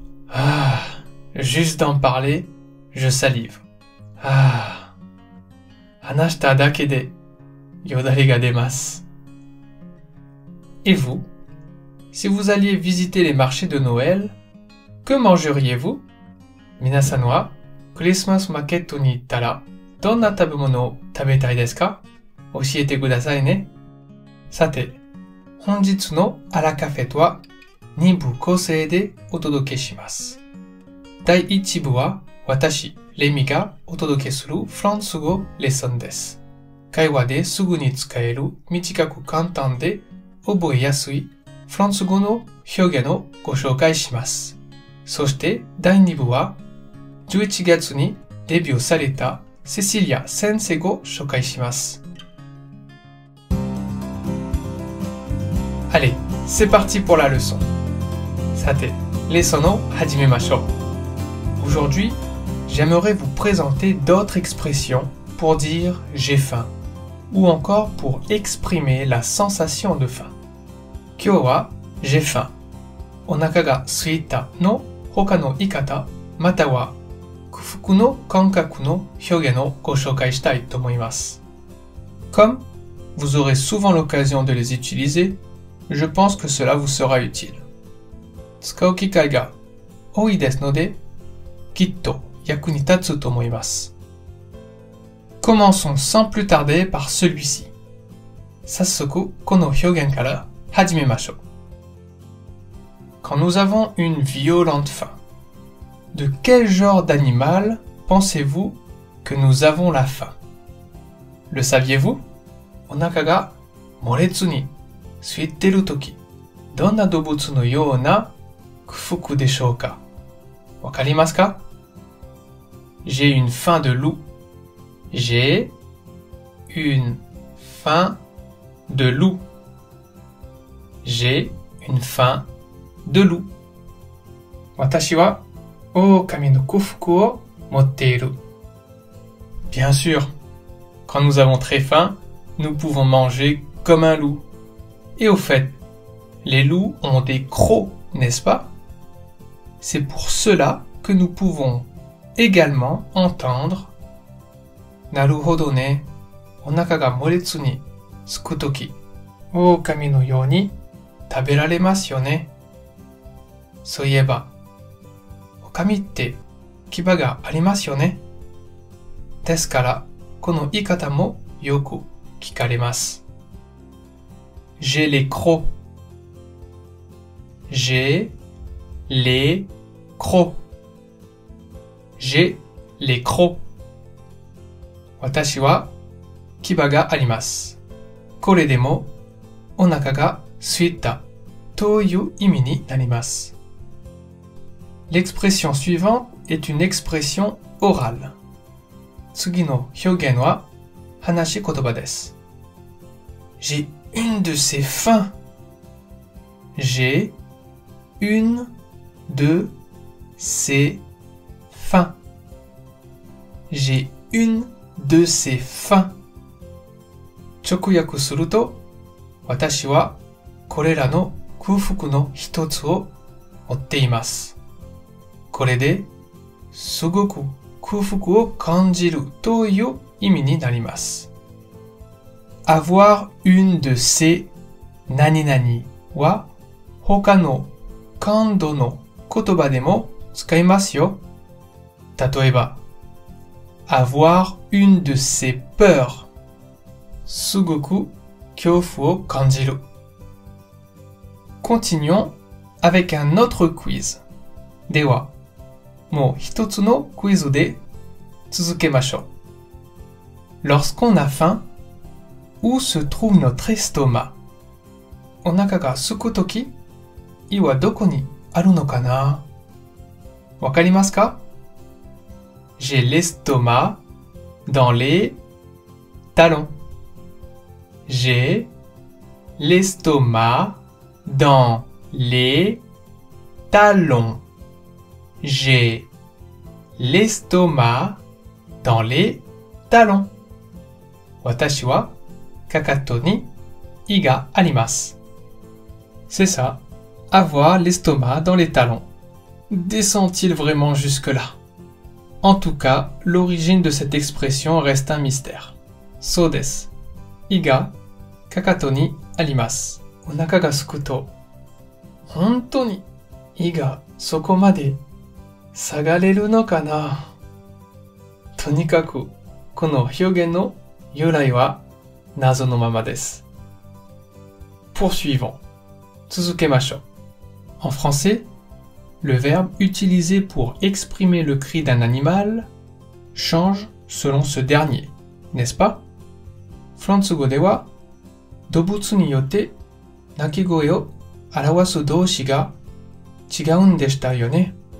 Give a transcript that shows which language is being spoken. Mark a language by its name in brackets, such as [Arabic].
[French] Ah, juste d'en parler, je salive. [Japanese] Ah, hanashita dake deよだれが出ます。 [French] Et vous? Si vous alliez visiter les marchés de Noël, que mangeriez-vous? [Japanese] 皆さんは、クリスマスマーケットに行ったら、どんな食べ物を食べたいですか？教えてくださいね。さて、本日のアラカフェとは、2部構成でお届けします。第1部は、私、レミがお届けするフランス語レッスンです。会話ですぐに使える短く簡単で覚えやすいフランス語の表現をご紹介します。そして第2部は11月にデビューされたセシリア先生を紹介します。 [French] Allez, c'est parti pour la leçon! [Japanese] さて、レッスンを始めましょう。 [French] Aujourd'hui, j'aimerais vous présenter d'autres expressions pour dire j'ai faim. ou encore pour exprimer la sensation de faim. [Japanese] 今日は、 [French] j'ai faim. [Japanese] お腹が空いたの他の言い方、または空腹の感覚の表現をご紹介したいと思います。 [French] Comme vous aurez souvent l'occasion de les utiliser, je pense que cela vous sera utile. [Japanese] 使う機会が多いですので、きっと役に立つと思います。 [French] Commençons sans plus tarder par celui-ci. [Japanese] 早速この表現から始めましょう。 [French] Quand nous avons une violente faim, de quel genre d'animal pensez-vous que nous avons la faim? Le saviez-vous? [Japanese] お腹が猛烈に空いてるとき、どんな動物のような空腹でしょうか？わかりますか？ [French] J'ai une faim de loup. J'ai une faim de loup. J'ai une faim de loup. [Japanese] 私は狼の空腹を持っている。 [French] Bien sûr, quand nous avons très faim, nous pouvons manger comme un loup. Et au fait, les loups ont des crocs, n'est-ce pas? C'est pour cela que nous pouvons également entendre. [Japanese] なるほどね。お腹が漏れずに、すくとき、狼のように食べられますよね。そういえば、狼って牙がありますよね。ですから、この言い方もよく聞かれます。 [French] J'ai les crocs. J'ai les crocs. J'ai les crocs. [Japanese] 私は牙があります。これでもお腹が空いたという意味になります。 [French] L'expression suivante est une expression orale. [Japanese] 次の表現は話し言葉です。 [French] J'ai une de ces faims. J'ai une de ces faims. J'ai une de ces faims. [Japanese] 直訳すると、私はこれらの空腹の一つを持っています。これですごく空腹を感じるという意味になります。 [French] Avoir une de ces [Japanese] 何々は他の感度の言葉でも使いますよ。例えば、 [French] Avoir une de ces peurs [Japanese] すごく恐怖を感じる。 [French] Continuons avec un autre quiz. [Japanese] では、もう一つのクイズで続けましょう。 [French] Lorsqu'on a faim,Où se trouve notre estomac? [Japanese] お腹がすくとき、胃はどこにあるのかな？わかりますか？ [French] J'ai l'estomac dans les talons. J'ai l'estomac dans les talons. J'ai l'estomac dans les talons. [Japanese] 私はかかとに胃があります。 [French] C'est ça, avoir l'estomac dans les talons. Descend-il vraiment jusque-là? En tout cas, l'origine de cette expression reste un mystère. [Japanese] そうです。胃がかかとにあります。お腹がすくと、本当に胃がそこまで下がれるのかな？とにかく、この表現の由来は謎のままです。 [French] Poursuivons. [Japanese] 続けましょう。 [French] En français, le verbe utilisé pour exprimer le cri d'un animal change selon ce dernier, n'est-ce pas? [Japanese] フランス語では、動物によって鳴き声を表す動詞が違うんでしたよね。